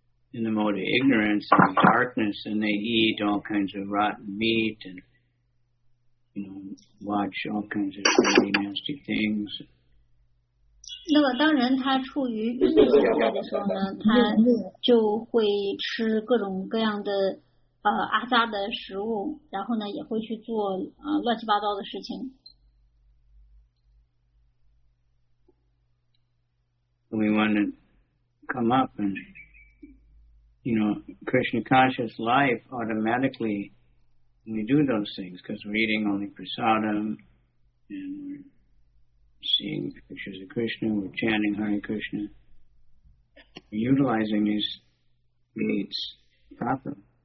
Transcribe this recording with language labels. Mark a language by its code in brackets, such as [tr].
[en] In the mode of ignorance and darkness, and they eat all kinds of rotten meat and, you know, watch all kinds of really nasty things. [zh] 那么当人他处于欲念状态的时候呢，他就会吃各种各样的阿杂的食物，然后呢也会去做乱七八糟的事情。 [en] We want to come up and, you know, Krishna conscious life automatically, we do those things because we're eating only prasadam and we're seeing pictures of Krishna, we're chanting Hare Krishna, we're utilizing these gates properly.